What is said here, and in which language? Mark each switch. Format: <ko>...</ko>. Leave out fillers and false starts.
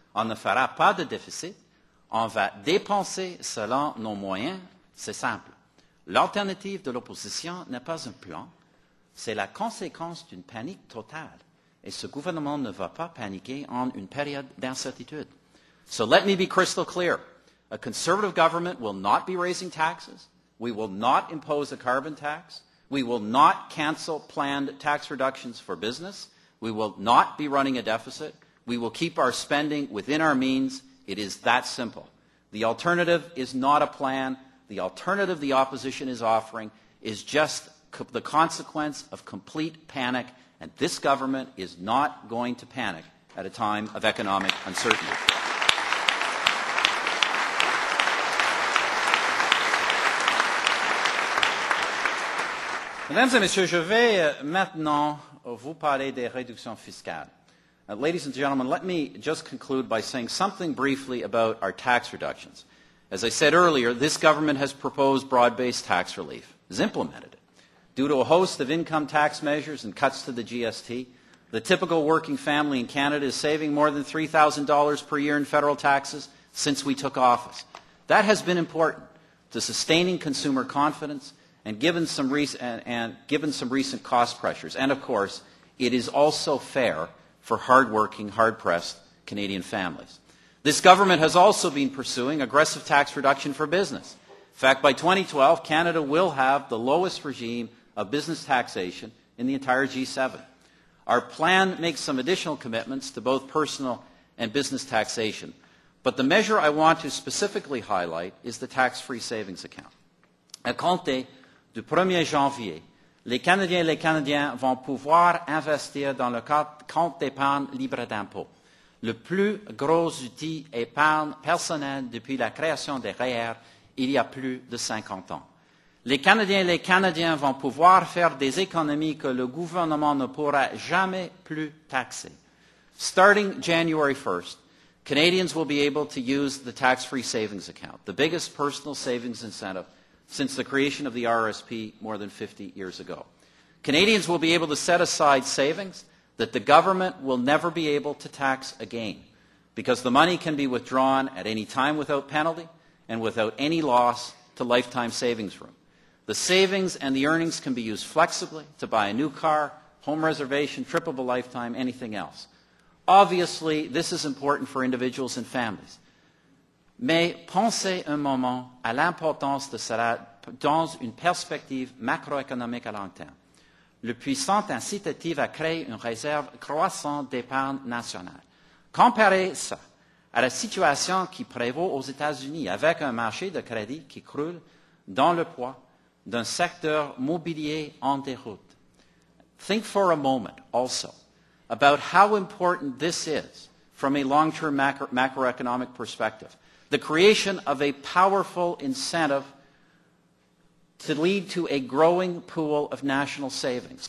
<fr>On ne fera pas de déficit. On va dépenser selon nos moyens. C'est simple. L'alternative de l'opposition n'est pas un plan. C'est la conséquence d'une panique totale. Et ce gouvernement ne va pas paniquer en une période d'incertitude.</fr> <en>So let me be crystal clear. A Conservative government will not be raising taxes. We will not impose a carbon tax. We will not cancel planned tax reductions for business. We will not be running a deficit. We will keep our spending within our means. It is that simple. The alternative is not a plan. The alternative the opposition is offering is just the consequence of complete panic. And this government is not going to panic at a time of economic uncertainty.</en> <fr>Mesdames et messieurs, je vais maintenant vous parler des réductions fiscales.</fr> <en>Ladies and gentlemen, let me just conclude by saying something briefly about our tax reductions. As I said earlier, this government has proposed broad-based tax relief, has implemented it. Due to a host of income tax measures and cuts to the GST, the typical working family in Canada is saving more than $3,000 per year in federal taxes since we took office. That has been important to sustaining consumer confidence and given some recent cost pressures. And of course, it is also fair for hard-working, hard-pressed Canadian families. This government has also been pursuing aggressive tax reduction for business. In fact, by 2012, Canada will have the lowest regime of business taxation in the entire G7. Our plan makes some additional commitments to both personal and business taxation, but the measure I want to specifically highlight is the tax-free savings account.</en> <fr>À compter du 1er janvier, les Canadiens et les Canadiennes vont pouvoir investir dans le compte d'épargne libre d'impôt, le plus gros outil épargne personnel depuis la création des REER il y a plus de 50 ans. Les Canadiens et les Canadiennes vont pouvoir faire des économies que le gouvernement ne pourra jamais plus taxer.</fr> <en>Starting January 1st, Canadians will be able to use the tax-free savings account, the biggest personal savings incentive since the creation of the RRSP more than 50 years ago. Canadians will be able to set aside savings that the government will never be able to tax again, because the money can be withdrawn at any time without penalty and without any loss to lifetime savings room. The savings and the earnings can be used flexibly to buy a new car, home reservation, trip of a lifetime, anything else. Obviously, this is important for individuals and families.</en> <fr>Mais pensez un moment à l'importance de cela dans une perspective macroéconomique à long terme. Le puissant incitatif à créer une réserve croissante d'épargne nationale. Comparez ça à la situation qui prévaut aux États-Unis avec un marché de crédit qui croule dans le poids d'un secteur mobilier en déroute.</fr> <en>Think for a moment also about how important this is from a long-term macroeconomic perspective. The creation of a powerful incentive to lead to a growing pool of national savings.</en>